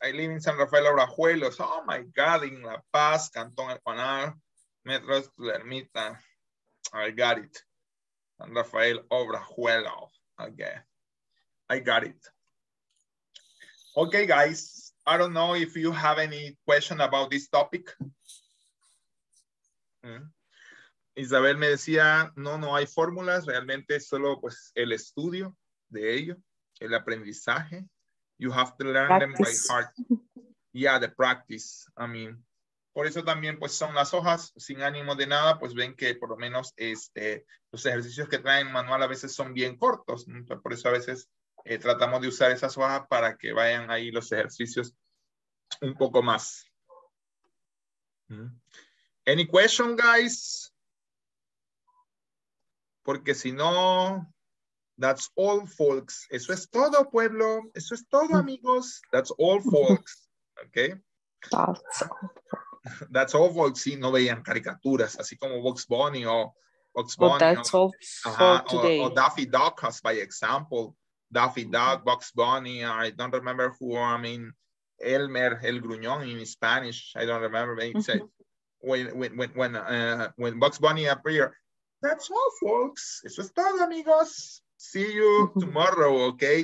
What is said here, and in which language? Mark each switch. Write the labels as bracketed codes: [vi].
[en] I live in San Rafael Abrajuelos. Oh my God, in La Paz, Cantón Alpanar, Metro de la Ermita. I got it. San Rafael Abrajuelos. Okay. I got it. Okay, guys. I don't know if you have any question about this topic. [es] Isabel me decía, no, no hay fórmulas, realmente solo pues el estudio de ello, el aprendizaje. [en] You have to learn practice. Them by heart. Yeah, the practice. I mean, [es] por eso también pues son las hojas sin ánimo de nada, pues ven que por lo menos este, los ejercicios que traen manual a veces son bien cortos, ¿no? Por eso a veces tratamos de usar esas hojas para que vayan ahí los ejercicios un poco más. [en] Any question, guys? [es] Porque si no, [en] that's all, folks. [es] Eso es todo, pueblo. Eso es todo, amigos. [en] That's all, folks. Okay? That's all, folks. [es] Sí, no veían caricaturas, así como Bugs Bunny o Bugs Bunny. [en] But that's all for today. O Daffy Duck, as by example. Daffy Duck, Bugs Bunny, I don't remember who, I mean, Elmer, El Gruñón in Spanish, I don't remember, but it's when Bugs Bunny appeared. That's all, folks. [es] Eso es todo, amigos. [en] See you tomorrow, okay?